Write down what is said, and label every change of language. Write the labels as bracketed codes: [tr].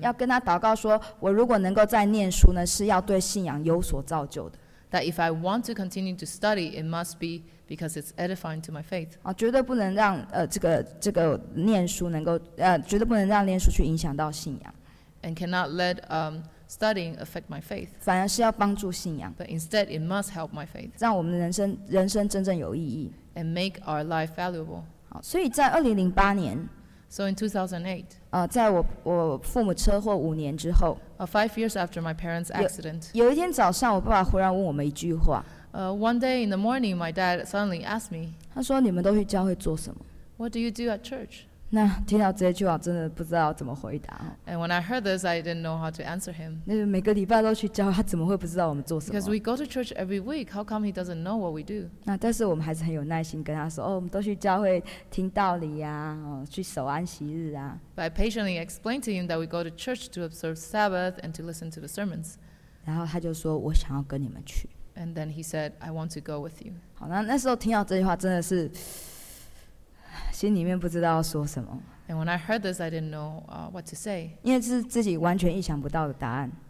[zh] 要跟他祷告说，我如果能够再念书呢，是要对信仰有所造就的。 [en] That if I want to continue to study, it must be because it's edifying to my faith. [zh] 绝对不能让这个念书能够绝对不能让念书去影响到信仰。 [en] And cannot let studying affect my faith. [zh] 反而是要帮助信仰。 [en] But instead, it must help my faith. [zh] 让我们人生真正有意义。 [en] And make our life valuable. [zh] 好，所以在2008年。 [en] So in 2008. [zh] 在我父母车祸五年之后。 [en] Five years after my parents' accident. [zh] 有一天早上，我爸爸忽然问我们一句话。 [en] One day in the morning, my dad suddenly asked me. [zh] 他说：“你们都去教会做什么？” [en] What do you do at church? [zh] 那听到这句话，真的不知道怎么回答。 [en] And when I heard this, I didn't know how to answer him. [zh] 每个礼拜都去教，他怎么会不知道我们做什么？ [en] Because we go to church every week, how come he doesn't know what we do? [zh] 那但是我们还是很有耐心跟他说：“哦，我们都去教会听道理呀，去守安息日啊。” [en] But I patiently explained to him that we go to church to observe Sabbath and to listen to the sermons. [zh] 然后他就说：“我想要跟你们去。” [en] And then he said, "I want to go with you." [zh] 好，那时候听到这句话，真的是。心里面不知道要说什么。 [en] And when I heard this, I didn't know what to say. [zh] 因为是自己完全意想不到的答案。